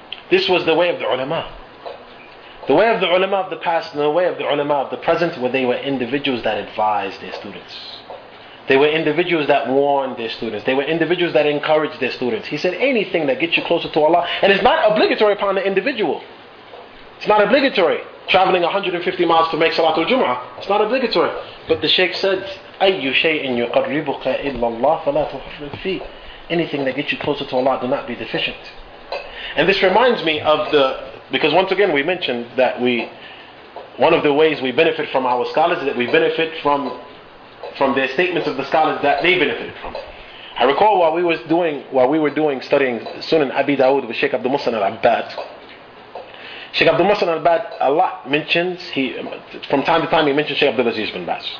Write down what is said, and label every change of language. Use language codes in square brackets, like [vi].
[en] This was the way of the ulama. The way of the ulama of the past and the way of the ulama of the present, where they were individuals that advised their students. They were individuals that warned their students. They were individuals that encouraged their students. He said, anything that gets you closer to Allah, and it's not obligatory upon the individual. It's not obligatory. Traveling 150 miles to make Salatul Jum'ah, it's not obligatory. But the Shaykh said, [ar] أَيُّ شَيْءٍ يُقَرِّبُكَ إِلَّا اللَّهِ فَلَا تُحْرِدْ فِيهِ. [en] Anything that gets you closer to Allah, do not be deficient. And this reminds me of the, because once again we mentioned that one of the ways we benefit from our scholars is that we benefit from their statements of the scholars that they benefited from. I recall while we were studying Sunan Abi Dawood with Shaykh Abdul Musan al-Abbad, Sheikh Abdul Musan al-Abbad a lot mentions, from time to time he mentions Sheikh Abdul Aziz bin Baz.